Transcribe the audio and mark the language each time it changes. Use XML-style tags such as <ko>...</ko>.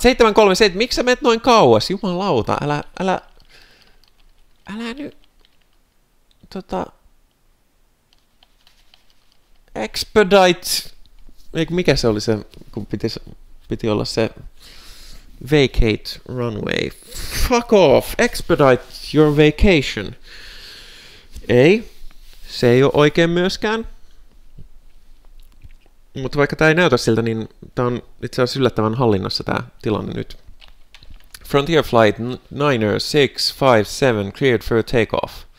<fi>737, miksi sä menet noin kauas? Jumalauta, älä nyt, expedite, eikö mikä se oli se, kun piti olla se vacate runway.</fi> <en>Fuck off, expedite your vacation.</en> <fi>Ei. Se ei ole oikein myöskään. Mutta vaikka tämä ei näytä siltä, niin tämä on itse asiassa yllättävän hallinnassa tämä tilanne nyt.</fi> <en>Frontier Flight 9657 cleared for takeoff.</en>